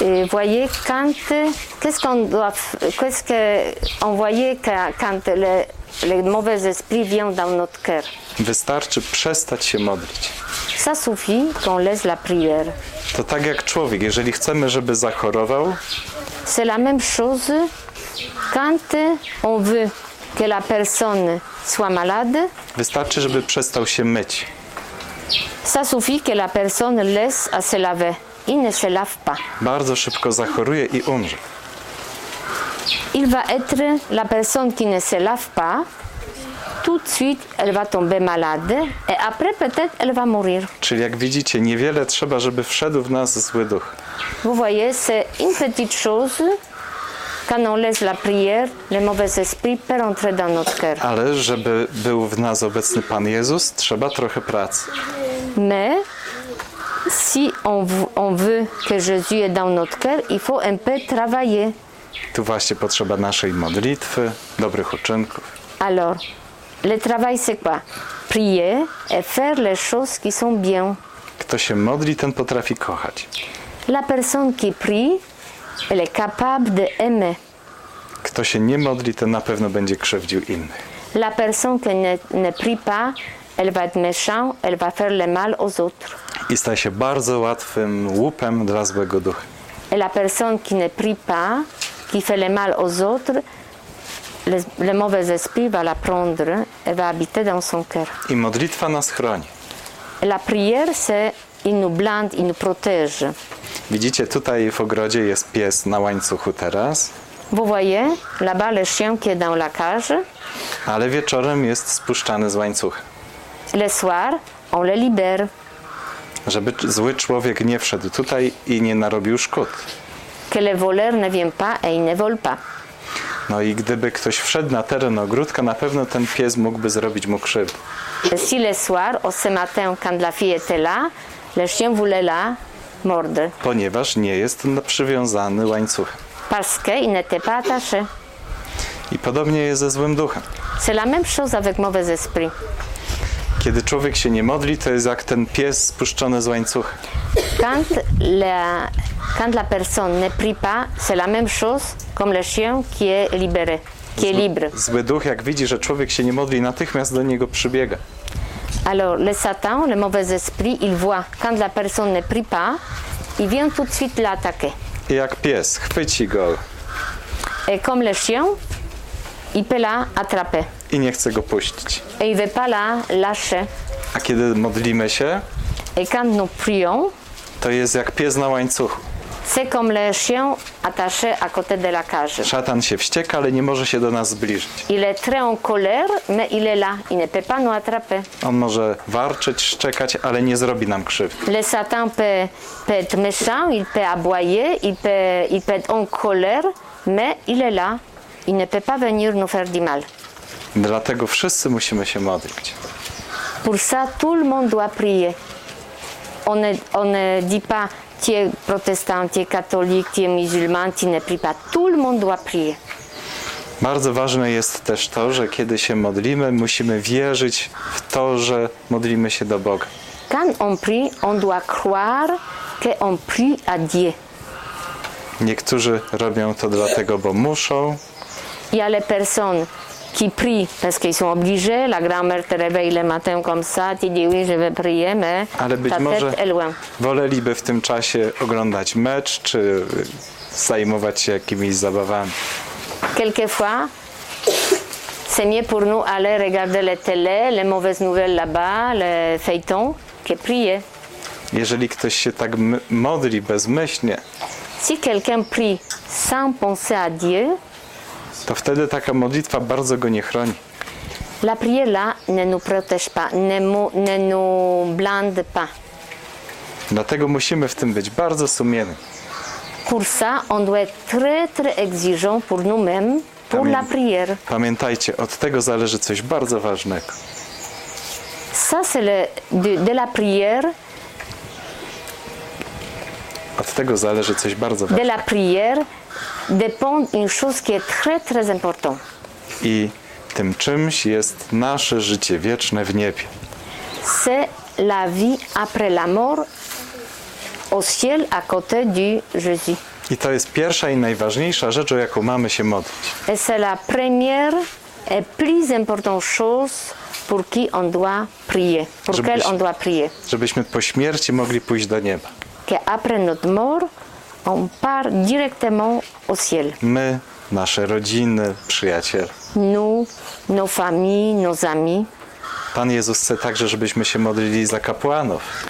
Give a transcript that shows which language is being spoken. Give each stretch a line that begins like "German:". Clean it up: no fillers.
French: Voyez quand qu'est-ce qu'on voit quand le mauvais esprit vient dans notre cœur.
Polish: Wystarczy przestać się modlić.
French: Ça suffit qu'on laisse la prière.
Polish: To tak jak człowiek, jeżeli chcemy, żeby zachorował.
French: C'est la même chose quand on veut que la personne soit malade.
Polish: Wystarczy, żeby przestał się myć.
French: Ça suffit que la personne laisse à se laver. Il ne se lave pas.
Polish: Bardzo szybko zachoruje i umrze.
French: Il va être la personne qui ne se lave pas. tout de suite elle va tomber malade et après peut-être elle va mourir.
Polish: Czyli jak widzicie, niewiele trzeba, żeby wszedł w nas zły duch.
French: Vous voyez, c'est une petite chose. Quand on laisse la prière, le mauvais esprit peut entrer dans notre cœur.
Polish: Ale żeby był w nas obecny Pan Jezus, trzeba trochę pracy.
French: Mais si on veut que Jésus est dans notre cœur, il faut un peu travailler.
Polish: Tu właśnie potrzeba naszej modlitwy, dobrych uczynków.
French: Alors, le travail c'est quoi? Prier et faire les choses qui sont bien.
Polish: Kto się modli, ten potrafi kochać.
French: La personne qui prie, elle est capable de aimer.
Polish: Kto się nie modli, ten na pewno będzie krzywdził innych.
French: La personne qui ne prie pas, elle va être méchante, elle va faire le mal aux autres.
Polish: I staje się bardzo łatwym łupem dla złego ducha.
French: Et la personne qui ne prie pas, qui fait le mal aux autres, le mauvais esprit va la prendre et va habiter dans son cœur.
Polish: I modlitwa nas chroni.
French: Et la prière, c'est il nous blinde, il nous protège.
Polish: Widzicie, tutaj w ogrodzie jest pies na łańcuchu teraz.
French: Vous voyez, là-bas le chien qui est dans la cage.
Polish: Ale wieczorem jest spuszczany z łańcucha.
French: Le soir, on le libère.
Polish: Żeby zły człowiek nie wszedł tutaj i nie narobił szkód.
French: Que le voleur ne vient pas et il ne vole pas.
Polish: No i gdyby ktoś wszedł na teren ogródka, na pewno ten pies mógłby zrobić mu krzywd.
French: Si le soir, au ce matin, quand la fille était là, le chien voulait la mordre.
Polish: Ponieważ nie jest przywiązany łańcuchem.
French: Parce qu'il n'était pas attaché.
Polish: I podobnie jest ze złym duchem.
French: C'est la même chose avec mauvais esprit.
Polish: Kiedy człowiek się nie modli, to jest jak ten pies spuszczony z łańcucha.
French: Quand la personne ne prie pas, c'est la même chose comme le chien qui est libéré, qui est libre.
Polish: Zły duch, jak widzi, że człowiek się nie modli, natychmiast do niego przybiega.
French: Alors, le Satan, le mauvais esprit, il voit quand la personne ne prie pas, il vient tout de suite l'attaquer.
Polish: I jak pies, chwyci go.
French: Et comme le chien, il peut la attraper.
Polish: I nie chce go puścić.
French: Et il veut pas la lâcher.
Polish: A kiedy modlimy się?
French: Et quand nous prions,
Polish: to jest jak pies na łańcuchu.
French: C'est comme le chien attaché à côté de la cage.
Polish: Szatan się wścieka, ale nie może się do nas zbliżyć.
French: Il est très en colère, mais il est là, il ne peut pas nous attraper.
Polish: On może warczeć, szczekać, ale nie zrobi nam krzywdy.
French: Le Satan peut être méchant, il peut aboyer, il peut être en colère, mais il est là, il ne peut pas venir nous faire du mal.
Polish: Dlatego wszyscy musimy się modlić.
French: Pour ça, tout le monde doit prier. On ne dit pas tu es protestant, tu es catholique, tu es musulman, tu ne prie pas. Tout le monde doit prier.
Polish: Bardzo ważne jest też to, że kiedy się modlimy, musimy wierzyć w to, że modlimy się do Boga.
French: Quand on prie, on doit croire que on prie à Dieu.
Polish: Niektórzy robią to dlatego, bo muszą.
French: Y a les personnes qui prient parce qu'ils sont obligés, la grand-mère te réveille le matin comme ça, tu dis oui, je vais prier, mais ta tête est loin.
Polish: Woleliby w tym czasie oglądać mecz czy zajmować się jakimiś zabawami.
French: Quelquefois, c'est mieux pour nous aller regarder la télé, les mauvaises nouvelles là-bas, le feuilleton, que prier.
Polish: Jeżeli ktoś się tak modli bezmyślnie.
French: Si quelqu'un prie sans penser à Dieu,
Polish: to wtedy taka modlitwa bardzo go nie chroni.
French: La prière là ne nous protège pas, ne nous blinde pas.
Polish: Dlatego musimy w tym być bardzo sumienni.
French: Pour ça, on doit être très très exigeant pour nous-mêmes, pour la prière.
Polish: Pamiętajcie, od tego zależy coś bardzo ważnego.
French: Ça c'est de la prière.
Polish: Od tego zależy coś bardzo ważnego.
French: De la prière dépend une chose qui est très très importante.
Polish: I tym czymś jest nasze życie wieczne w niebie.
French: C'est la vie après la mort au ciel à côté du Jésus.
Polish: I to jest pierwsza i najważniejsza rzecz, o jaką mamy się modlić.
French: Et c'est la première et plus importante chose pour qui on doit prier. Pour quelle on doit prier.
Polish: Żebyśmy po śmierci mogli pójść do nieba.
French: Que après notre mort on part directement au ciel.
Polish: My, nasze rodziny, przyjaciele.
French: Nous, nos familles, nos amis.
Polish: Pan Jezus chce także, żebyśmy się modlili za kapłanów.